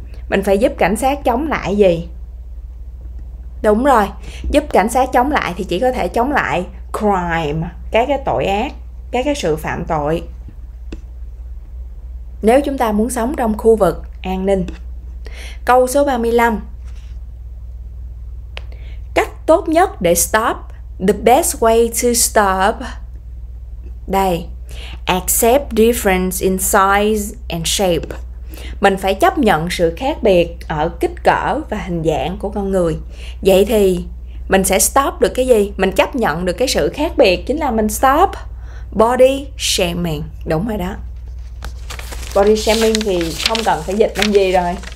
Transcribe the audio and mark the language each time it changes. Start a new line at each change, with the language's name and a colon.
Vietnamese: Mình phải giúp cảnh sát chống lại gì? Đúng rồi, giúp cảnh sát chống lại thì chỉ có thể chống lại crime, các cái tội ác, các cái sự phạm tội. Nếu chúng ta muốn sống trong khu vực an ninh. Câu số 35. Cách tốt nhất để stop,
English: the best way to stop.
Vietnamese: Đây,
English: accept difference in size and shape.
Vietnamese: Mình phải chấp nhận sự khác biệt ở kích cỡ và hình dạng của con người. Vậy thì mình sẽ stop được cái gì? Mình chấp nhận được cái sự khác biệt chính là mình stop body shaming. Đúng rồi đó. Body shaming thì không cần phải dịch làm gì rồi.